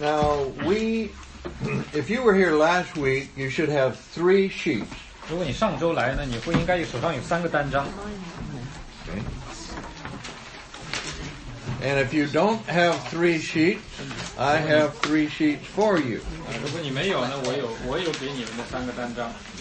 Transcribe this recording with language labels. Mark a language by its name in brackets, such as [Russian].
[English] Now, if you were here last week, you should have three sheets. [Chinese] 如果你上周来呢，你会应该手上有三个单张。 [English] And if you don't have three sheets, I have three sheets for you. [Chinese] 如果你没有呢，我有给你们的三个单张。